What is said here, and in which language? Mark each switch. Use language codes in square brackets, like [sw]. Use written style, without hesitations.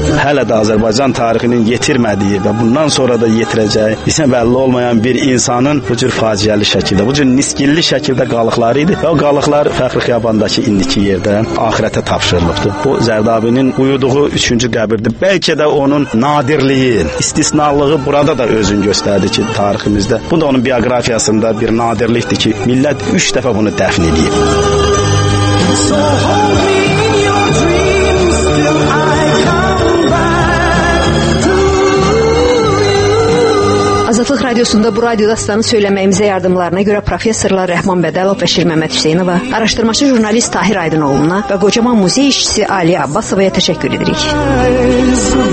[az] hələ də Azərbaycan tarixinin yetirmədiyi və bundan sonra da yetirəcəyi isə bəlli olmayan bir insanın bu cür faciəli şəkildə, bu cür niskilli şəkildə qalıqları idi və o qalıqlar Fəxri Xiyabandakı indiki yerdə axirətə tapşırılıbdır. Bu Zərdabinin uyuduğu üçüncü qəbirdir. Bəlkə də onun nadirliyi, istisnalığı burada da özünü göstərdi ki, tariximizdə. Bu da onun biografiyasında bir nadirlikdir ki, millət üç dəfə bunu dəfn edib. [en] So hold me in your dreams till I come back to you. [az] Azadlıq Radiosunda bu radio dastanı söyləməyimizə yardımlarına görə professorlar Rəhman Bədəlov və Şir Məhəmməd Hüseynova, araşdırmaçı jurnalist Tahir Aydınoğluna və qocaman muzey işçisi Aliyə Abbasovaya təşəkkür edirik.